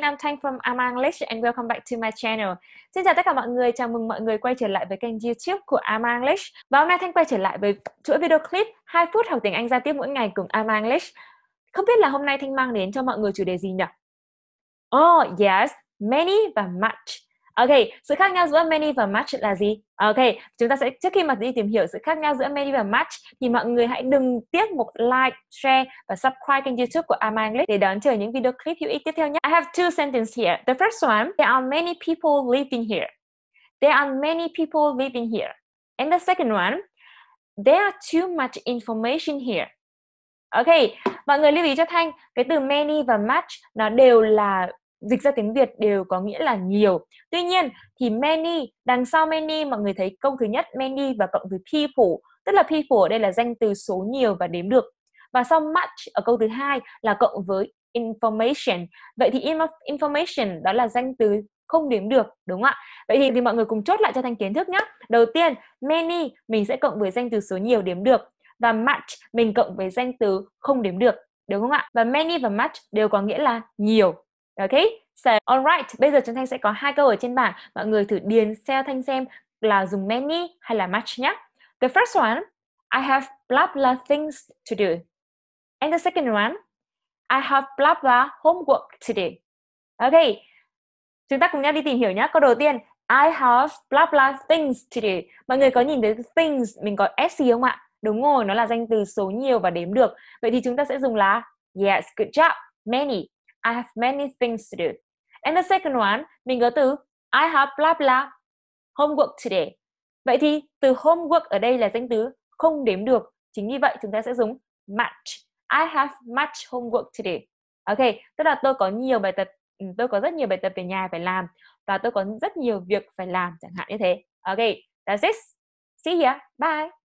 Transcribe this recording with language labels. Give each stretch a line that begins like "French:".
English: I'm Thanh from I'm English and welcome back to my channel.
Vietnamese: Xin chào tất cả mọi người, chào mừng mọi người quay trở lại với kênh YouTube của I'm English. Và hôm nay Thanh quay trở lại với chuỗi video clip 2 phút học tiếng Anh giao tiếp mỗi ngày cùng I'm English. Không biết là hôm nay Thanh mang đến cho mọi người chủ đề gì nhỉ?
English: Oh, yes,
Vietnamese: many và much. Ok, sự khác nhau giữa many và much là gì? Ok, chúng ta sẽ trước khi mà đi tìm hiểu sự khác nhau giữa many và much thì mọi người hãy đừng tiếc một like, share và subscribe kênh YouTube của I'm English để đón chờ những video clip hữu ích tiếp theo nhé.
English: I have two sentences here. The first one, there are many people living here. There are many people living here. And the second one, there are too much information here.
Vietnamese: Ok, mọi người lưu ý cho Thanh, cái từ many và much nó đều là dịch ra tiếng Việt đều có nghĩa là nhiều. Tuy nhiên thì many, đằng sau many mọi người thấy câu thứ nhất many và cộng với people, tức là people ở đây là danh từ số nhiều và đếm được. Và sau much ở câu thứ hai là cộng với information. Vậy thì information đó là danh từ không đếm được, đúng không ạ? Vậy thì mọi người cùng chốt lại cho Thanh kiến thức nhé. Đầu tiên, many mình sẽ cộng với danh từ số nhiều đếm được, và much mình cộng với danh từ không đếm được, đúng không ạ? Và many và much đều có nghĩa là nhiều. Ok,
English: so alright,
Vietnamese: bây giờ chúng Thanh sẽ có hai câu ở trên bảng. Mọi người thử điền theo Thanh xem là dùng many hay là much nhé.
English: The first one, I have blah blah things to do. And the second one, I have blah blah homework to do.
Vietnamese: Ok, chúng ta cùng nhau đi tìm hiểu nhé. Câu đầu tiên,
English: I have blah blah things to do.
Vietnamese: Mọi người có nhìn thấy things, mình có s gì không ạ? Đúng rồi, nó là danh từ số nhiều và đếm được. Vậy thì chúng ta sẽ dùng là
English: yes, good job, many. I have many things to do. And the second one,
Vietnamese: mình có từ
English: I have blah blah homework today.
Vietnamese: Vậy thì từ homework ở đây là danh từ không đếm được. Chính vì vậy chúng ta sẽ dùng much.
English: I have much homework today.
Vietnamese: Ok, tức là tôi có nhiều bài tập, tôi có rất nhiều bài tập về nhà phải làm và tôi có rất nhiều việc phải làm, chẳng hạn như thế. Ok,
English: that's it. See ya, bye.